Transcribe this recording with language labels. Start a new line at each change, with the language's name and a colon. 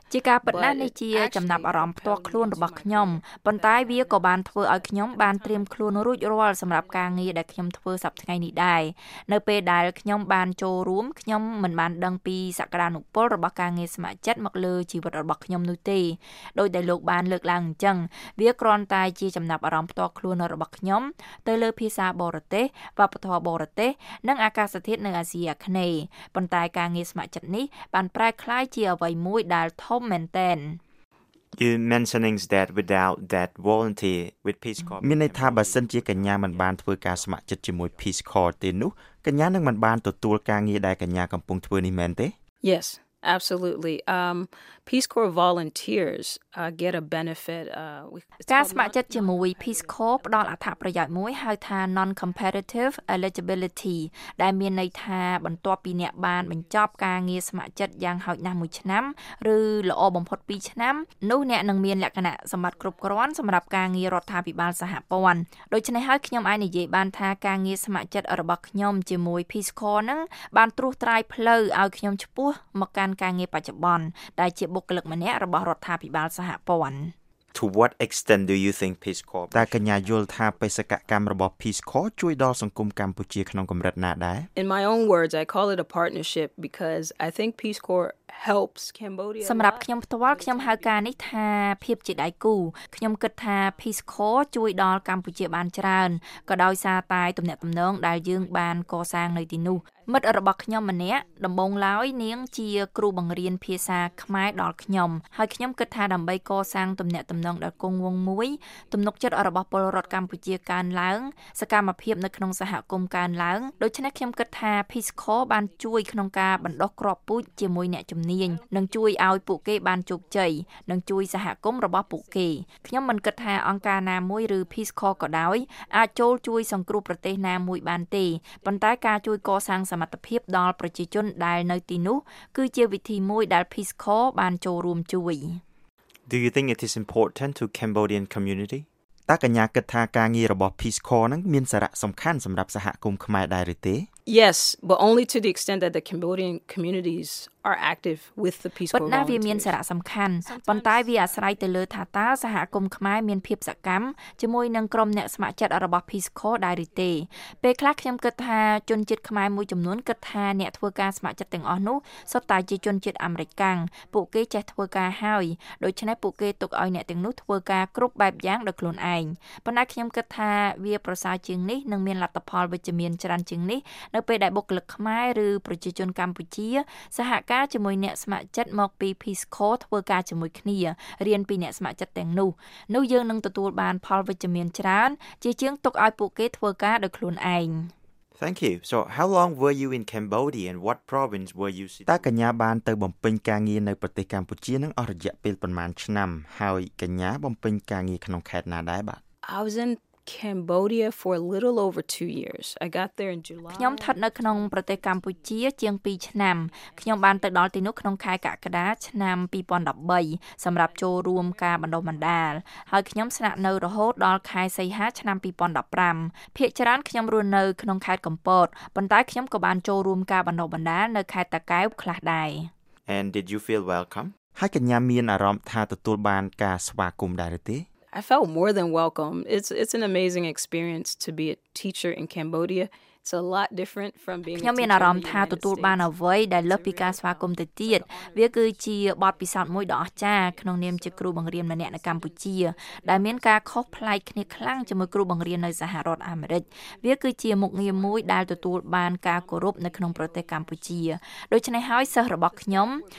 Khmer: ជាការពិតណាស់នេះជាចំណាប់អារម្មណ៍ផ្ទាល់ខ្លួនរបស់ខ្ញុំប៉ុន្តែវាក៏បានធ្វើឲ្យខ្ញុំបានត្រៀមខ្លួនរួចរាល់សម្រាប់ការងារដែលខ្ញុំធ្វើសប្តាហ៍ថ្ងៃនេះដែរនៅពេលដែលខ្ញុំបានចូលរួមខ្ញុំមិនបានដឹងពីសក្តានុពលរបស់ការងារស្ម័គ្រចិត្តមកលើជីវិតរបស់ខ្ញុំនោះទេ ដោយដែលលោកបានលើកឡើងអញ្ចឹងវាគ្រាន់តែជាចំណាប់អារម្មណ៍ផ្ទាល់ខ្លួនរបស់ខ្ញុំទៅលើភាសាបរទេសវប្បធម៌បរទេសនិងអាកាសធាតុនៅអាស៊ីអាគ្នេយ៍ប៉ុន្តែការងារស្ម័គ្រចិត្តនេះបានប្រែក្លាយជាអ្វីមួយដែលធំមែនទែន
English: You mentioning that without that volunteer with Peace Corps
Khmer: មានន័យថាបើសិនជាកញ្ញាមិនបានធ្វើការស្ម័គ្រចិត្តជាមួយ Peace Corps ទេនោះកញ្ញានឹងមិនបានទទួលការងារដែលកញ្ញាកំពុងធ្វើនេះមែនទេ
English: Yes Absolutely. Peace Corps volunteers get a benefit.
Khmer: ការស្ម័គ្រចិត្តជាមួយ Peace Corps ផ្ដល់អត្ថប្រយោជន៍មួយហៅថា non-competitive eligibility ដែលមានន័យថាបន្ទាប់ពីអ្នកបានបញ្ចប់ការងារស្ម័គ្រចិត្តយ៉ាងហោចណាស់មួយឆ្នាំឬល្អបំផុត2ឆ្នាំនោះអ្នកនឹងមានលក្ខណៈសម្បត្តិគ្រប់គ្រាន់សម្រាប់ការងាររដ្ឋាភិបាលសហព័ន្ធដូច្នេះហើយខ្ញុំអាចនិយាយបានថាការងារស្ម័គ្រចិត្តរបស់ខ្ញុំជាមួយ Peace Corps នឹងបានត្រួសត្រាយផ្លូវឲ្យខ្ញុំឆ្ពោះមកកាន់ការងារបច្ចុប្បន្នដែលជាបុគ្គលិកម្នាក់របស់រដ្ឋាភិបាលសហព័ន្ធ
English: To what extent do you think Peace Corps
Khmer: តើកញ្ញាយល់ថាបេសកកម្មរបស់ Peace Corps ជួយដល់សង្គមកម្ពុជាក្នុងកម្រិតណាដែរ
English: In my own words I call it a partnership because I think Peace Corps helps Cambodia
Khmer: សម្រាប់ខ្ញុំផ្ទាល់ខ្ញុំហៅការនេះថាភាពជាដៃគូខ្ញុំគិតថា Peace Corps ជួយដល់កម្ពុជាបានច្រើនក៏ដោយសារតែទំនាក់ទំនងដែលយើងបានកសាងនៅទីនោះមិត្តរបស់ខ្ញុំម្នាក់ដំបងឡើយនាងជាគ្រូបង្រៀនភាសាខ្មែរដល់ខ្ញុំហើយខ្ញុំគិតថាដើម្បីកសាងទំនាក់ទំនងដល់គង់វងមួយ ទំនុកចិត្តរបស់ពលរដ្ឋកម្ពុជាកើនឡើងសកម្មភាពនៅក្នុងសហគមន៍កើនឡើងដូច្នេះខ្ញុំគិតថា Peace Corps បានជួយក្នុងការបណ្ដុះគ្រាប់ពូជជាមួយអ្នកជំនាញនិងជួយឲ្យពួកគេបានជោគជ័យនិងជួយសហគមន៍របស់ពួកគេខ្ញុំមិនគិតថាអង្គការណាមួយឬ Peace Corps ក៏ដោយអាចចូលជួយសង្គ្រោះប្រទេសណាមួយបានទេប៉ុន្តែការជួយកសាងសមត្ថភាពដល់ប្រជាជនដែលនៅទីនោះគឺជាវិធីមួយដែល Peace Corps បានចូលរួមជួយ
English: Do you think it is important to Cambodian community?
Khmer: តើកញ្ញាគិតថាការងាររបស់ Peace Corps នឹងមានសារៈសំខាន់សម្រាប់សហគមន៍ខ្មែរដែរឬទេ?
English: Yes, but only to the extent that the Cambodian communities are active with the Peace Corps.
Khmer: ប៉ុន្តែវាមានសារៈសំខាន់ប៉ុន្តែវាអាស្រ័យទៅលើថាតើសហគមន៍ខ្មែរមានភាពសកម្មជាមួយនឹងក្រុមអ្នកស្ម័គ្រចិត្តរបស់ Peace Corps ដែរឬទេ។ពេលខ្លះខ្ញុំគិតថាជនជាតិខ្មែរមួយចំនួនគិតថាអ្នកធ្វើការស្ម័គ្រចិត្តទាំងអស់នោះសុទ្ធតែជាជនជាតិអាមេរិកាំងពួកគេចេះធ្វើការហើយដូច្នេះពួកគេទុកឲ្យអ្នកទាំងនោះធ្វើការគ្រប់បែបយ៉ាងដោយខ្លួនឯង។ប៉ុន្តែខ្ញុំគិតថាវាប្រសើរជាងនេះនិងមានលទ្ធផលវិជ្ជមានច្រើនជាងនេះនៅពេលដែលបុគ្គលិកខ្មែរឬប្រជាជនកម្ពុជា សហការជាមួយអ្នកស្ម័គ្រចិត្តមកពី Peace Corps ធ្វើការជាមួយគ្នារៀនពីអ្នកស្ម័គ្រចិត្តទាំងនោះនោះយើងនឹងទទួលបានផលវិជ្ជមានច្រើនជាជាងទុកឲ្យពួកគេធ្វើការដោយខ្លួនឯង
English: Thank you. So how long were you in Cambodia and what province were you
Khmer: តើកញ្ញាបានទៅបំពេញការងារនៅប្រទេសកម្ពុជានឹងអស់រយៈពេលប្រមាណឆ្នាំហើយកញ្ញាបំពេញការងារក្នុងខេត្តណាដែរបាទ
English: Cambodia for a little over 2 years. I got there in July.
Khmer: ខ្ញុំស្ថិតនៅក្នុងប្រទេសកម្ពុជាជាង2ឆ្នាំ។ខ្ញុំបានទៅដល់ទីនោះក្នុងខែកក្កដាឆ្នាំ2013សម្រាប់ចូលរួមការបណ្ដុះបណ្ដាល។ហើយខ្ញុំស្នាក់នៅរហូតដល់ខែសីហាឆ្នាំ2015។ភាគច្រើនខ្ញុំរស់នៅក្នុងខេត្តកំពត។ប៉ុន្តែខ្ញុំក៏បានចូលរួមការបណ្ដុះបណ្ដាលនៅខេត្តតាកែវខ្លះដែរ
English: ។ And did you feel welcome?
Khmer: ហើយកញ្ញាមានអារម្មណ៍ថាទទួលបានការស្វាគមន៍ដែរឬទេ?
English: I felt more than welcome. It's an amazing experience to be a teacher in Cambodia. It's a lot different from being
Khmer: ខ្ញុំមានអារម្មណ៍ថាទទួលបានអ្វីដែលលើសពីការស្វាគមន៍ទៅទៀតវាគឺជាបទពិសោធន៍មួយដ៏អស្ចារ្យក្នុងនាមជាគ្រូបង្រៀនម្នាក់នៅកម្ពុជាដែលមានការខុសប្លែកគ្នាខ្លាំងជាមួយគ្រូបង្រៀននៅសហរដ្ឋអាមេរិកវាគឺជាមុខងារមួយដែលទទួលបានការគោរពនៅក្នុងប្រទេសកម្ពុជាដូច្នេះហើយសិស្សរបស់ខ្ញុំ